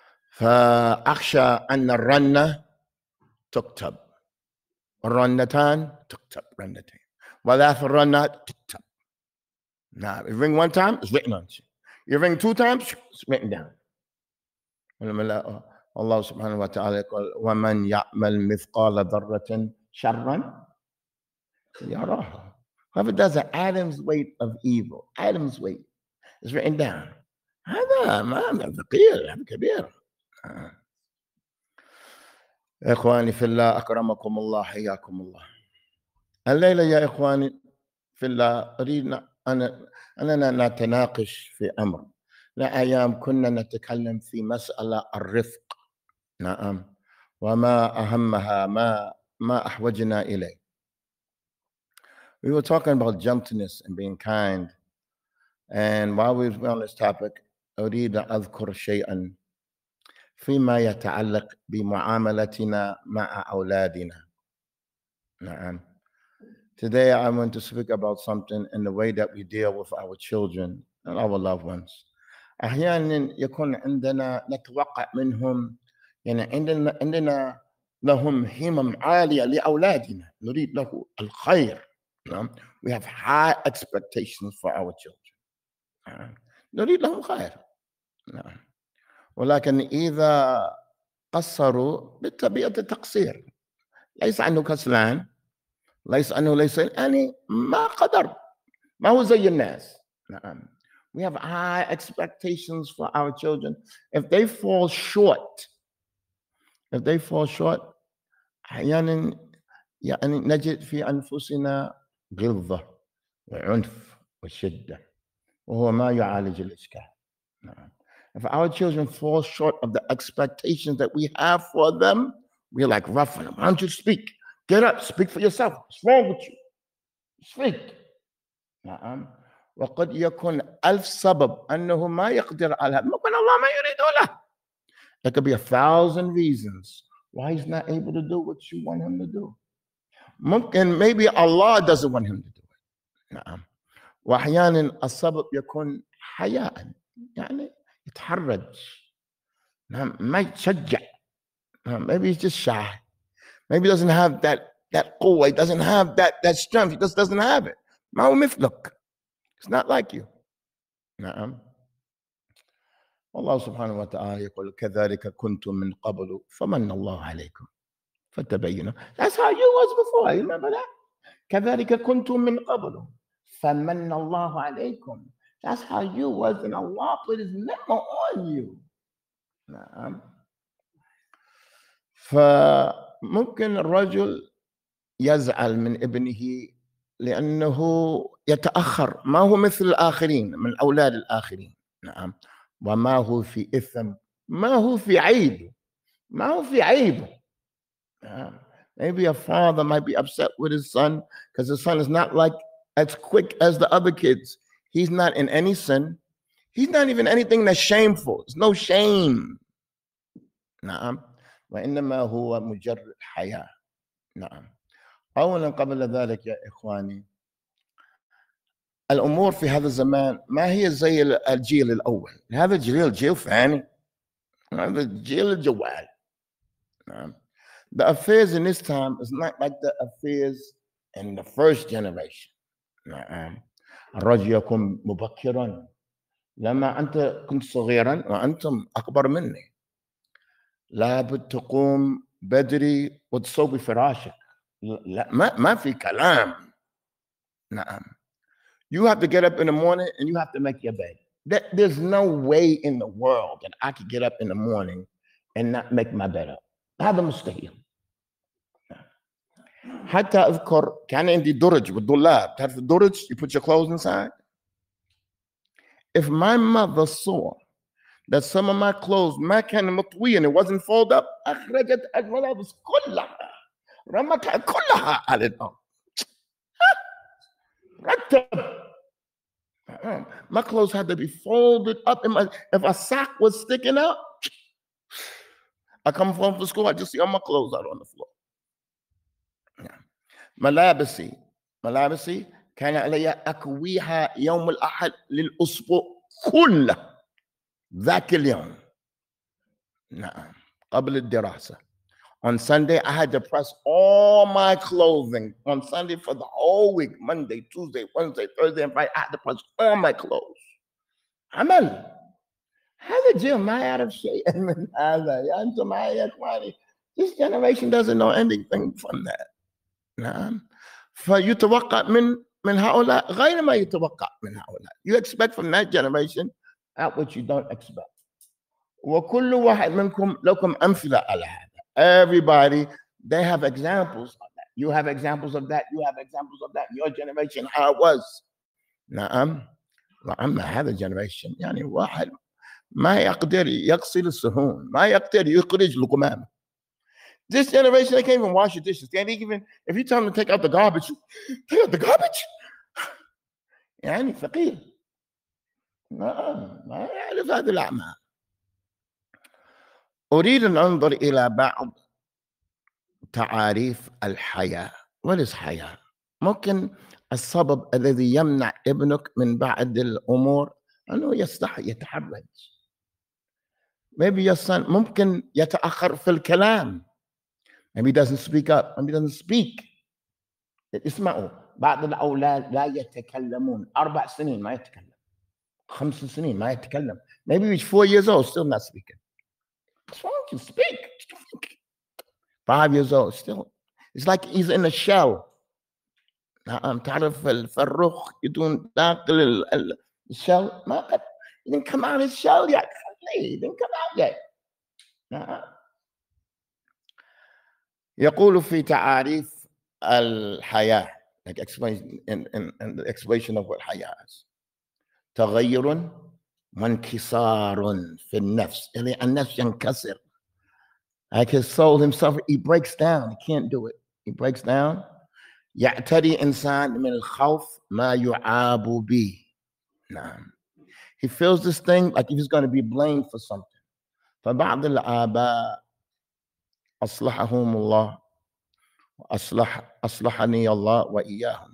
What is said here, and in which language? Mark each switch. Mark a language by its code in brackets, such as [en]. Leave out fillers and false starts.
[ar] فأخشى أن الرنة تكتب, الرنتان تكتب, رنتين, وثلاث رنات تكتب. [en] نعم, you ring one time, it's written on you. You ring two times, it's written down. [ar] الله سبحانه وتعالى يقول, ومن يعمل مثقال ذرة شرا يراه. [en] Whoever does an atom's weight of evil, atom's weight, is written down. [ar] هذا ما ثقيل, هذا كبير. إخواني في الله, أكرمكم الله, حياكم الله. الليلة يا إخواني في الله, أريد أننا نتناقش في أمر. لأيام كنا نتكلم في مسألة الرفق. نعم. وما أهمها, ما أحوجنا إليه. [en] We were talking about gentleness and being kind. And while we were on this topic, [ar] أريد أذكر شيئا فيما يتعلق بمعاملتنا مع أولادنا. نعم. [en] Today I want to speak about something in the way that we deal with our children and our loved ones. [ar] أحيانا يكون عندنا نتوقع منهم, يعني عندنا لهم همم عالية لأولادنا, نريد له الخير. [en] We have high expectations for our children. [ar] نريد لهم خير. ولكن إذا قصروا بطبيعة التقصير, ليس أنه كسلان, ليس أنه ليس يعني ما قدر, ما هو زي الناس. [en] We have high expectations for our children. If they fall short, [ar] أحيانا يعني نجد في أنفسنا غلظة وعنف وشدة, وهو ما يعالج الإشكال. [en] If our children fall short of the expectations that we have for them, we're like roughing them. Why don't you speak? Get up, speak for yourself. What's wrong with you? Speak. نعم. [ar] وقد يكون ألف سبب أنه ما يقدر على هذا. ممكن الله ما يريد له. [en] There could be a thousand reasons why he's not able to do what you want him to do. ممكن, maybe Allah doesn't want him to do it. [ar] نعم. وأحيانا السبب يكون حياء, يعني يتحرج. نعم. ما يتشجع. نعم. [en] Maybe he's just shy. Maybe he doesn't have that قوة. He doesn't have that strength. He just doesn't have it. [ar] ما هو مثلك. [en] It's not like you. نعم. [ar] والله سبحانه وتعالى يقول كذلك كنتم من قبل فمن الله عليكم فتبينوا. [en] That's how you was before. You remember that? [ar] كذلك كنتم من قبل فمن الله عليكم. [en] That's how you was, and Allah put his memo on you. [ar] نعم. فممكن الرجل يزعل من ابنه لأنه يتأخر, ما هو مثل الآخرين, من أولاد الآخرين. نعم. وما هو في إثم, ما هو في عيب, ما هو في عيب. نعم. [en] Maybe a father might be upset with his son because his son is not like as quick as the other kids. He's not in any sin. He's not even anything that's shameful. It's no shame. [ar] نعم. وإنما هو مجرد حياة. نعم. أولا قبل ذلك يا إخواني, الأمور في هذا الزمان ما هي زي الجيل الأول. هذا الجيل جيل ثاني. هذا الجيل الجوال. نعم. [en] The affairs in this time is not like the affairs in the first generation. [ar] نعم. الرجل يكون مبكرا لما أنت كنت صغيرا وأنتم أكبر مني, لا بد تقوم بدري وتصوبي فراشك. لا, ما في كلام. نعم. [en] You have to get up in the morning and you have to make your bed. There's no way in the world that I could get up in the morning and not make my bed up. [ar] هذا مستحيل. حتى أذكر كان عندي درج والدولاب. تعرف الدرج, [en] you put your clothes inside. If my mother saw that some of my clothes [ar] ما كان مطوي [en] and it wasn't folded up. [ar] أخرجت الملابس كلها رمت كلها على الأرض. رتب. [en] My clothes had to be folded up. In my, if a sock was sticking out, I come home from school, I just see all my clothes out on the floor. [ar] ملابسي ملابسي كان علي أكويها يوم الأحد للأسبوع كله ذاك اليوم. نعم قبل الدراسة. [en] On Sunday, I had to press all my clothing on Sunday for the whole week. Monday, Tuesday, Wednesday, Thursday, and Friday, I had to press all my clothes. [ar] عمل. هذا جيل ما يعرف شيئا من هذا. يا أنتم يا إخواني. [en] This generation doesn't know anything from that. [ar] نعم. فيتوقع من هؤلاء غير ما يتوقع من هؤلاء. [en] You expect from that generation at what you don't expect. [ar] وكل واحد منكم لكم أمثلة على هذا. [en] Everybody, they have examples of that. You have examples of that. You have examples of that. Your generation, how it was. نعم. [ar] وعما هذا generation. يعني واحد ما يقدر يغسل الصحون. ما يقدر يخرج القمامة. [en] This generation, they can't even wash the dishes. They can't even, if you tell them to take out the garbage, take out the garbage? [ar] يعني فقير. نعم. ما يعرف هذا الأعمال. أريد أن أنظر إلى بعض تعاريف الحياة. [en] What is [ar] حياة؟ ممكن السبب الذي يمنع ابنك من بعض الأمور أنه يستحي يتحرج. [en] Maybe your son [ar] ممكن يتأخر في الكلام. [en] Maybe he doesn't speak up. Maybe he doesn't speak. [ar] اسمعوا بعض الأولاد لا يتكلمون. 4 سنين ما يتكلم. 5 سنين ما يتكلم. [en] Maybe he's 4 years old still not speaking. What's wrong with you? Speak. 5 years old, still. It's like he's in a shell. [ar] تعرف الفرخ يدون داخل الشل. [en] He didn't come out of his shell yet. He didn't come out yet. [ar] يقول في تعاريف الحياة, [en] like in the explanation of what حياة is. [ar] تغير. وانكسار في النفس. يعني النفس ينكسر. [en] Like his soul himself, he breaks down. He can't do it. He breaks down. [ar] يعتري إنسان من الخوف ما يعاب به. نعم. [en] He feels this thing like if he's going to be blamed for something. [ar] فبعض الآباء أصلحهم الله أصلحني الله وإياهم.